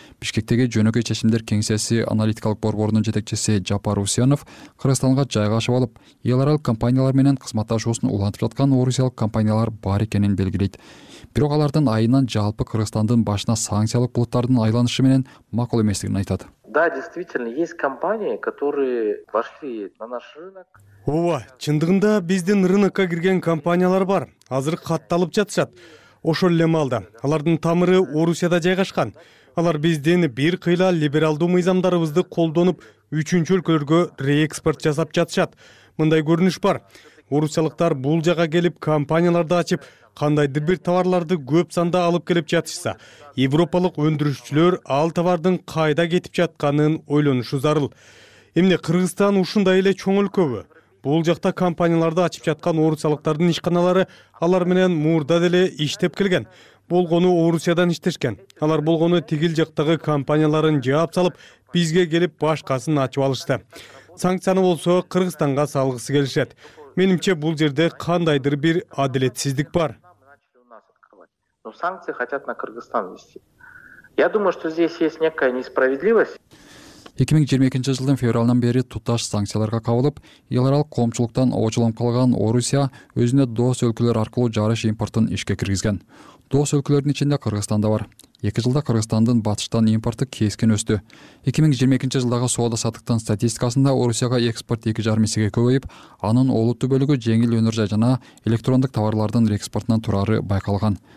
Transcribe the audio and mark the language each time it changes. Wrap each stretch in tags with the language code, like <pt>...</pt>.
<ky>Бишкектеги жөнөкөй чечимдер кеңсеси аналитикалык борборунун жетекчиси Жапар Усянов Кыргызстанга жайгашып алып, эл аралык компаниялар менен кызматташуусун улантып жаткан орусиялык компаниялар бар экенин белгилейт. Бирок алардын айынан жалпы Кыргызстандын башына санкциялык булуттардын айланышы менен макул эместигин айтат.</ky> <ru>Да, действительно, есть компании, которые вошли на наш рынок.</ru> <ky>Ооба, чындыгында биздин рынокко кирген компаниялар бар. Азыр катталып жатышат. Ошол эле маалда. Алардын тамыры Орусияда жайгашкан. Алар биздин бир кыйла либералдуу мыйзамдарыбызды колдонуп, үчүнчү өлкөлөргө реэкспорт жасап жатышат. Мындай көрүнүш бар. Орусиялыктар бул жага келип, компанияларды ачып, кандайдыр бир товарларды көп санда алып келип жатышса, европалык өндүрүүчүлөр ал товардын кайда кетип жатканын ойлонушу зарыл. Эмне Кыргызстан ушундай эле чоң өлкөбү? Бул жакта компанияларды ачып жаткан орусиялыктардын ишканалары алар менен мурда деле иштеп келген. Болгону Орусиядан иштешкен. Алар болгону тигил жактагы компанияларын жаап салып, бизге келип башкасын ачып алышты. Санкцияны болсо Кыргызстанга салгысы келишет. Менимче бул жерде кандайдыр бир адилетсиздик бар.</ky> <ru>Но санкции хотят на Кыргызстан ввести. Я думаю, что здесь есть некая несправедливость.</ru> <ky>2022 жылдын февралынан бери туташ санкцияларга кабылып, эл аралык коомчулуктан очолонуп калган Орусия өзүнө дос өлкөлөр аркылуу жарыш импортун ишке киргизген. Дос өлкөлөрдүн ичинде Кыргызстан да бар. 2 жылда Кыргызстандын батыштан импорту кескин өстү. 2022 жылдагы соода сатыктын статистикасында Орусияга экспорт 2,5 эсеге көбөйүп, анын олуттуу бөлүгү жеңил өнөр жай жана электрондук товарлардын экспортунан турары байкалган.</ky>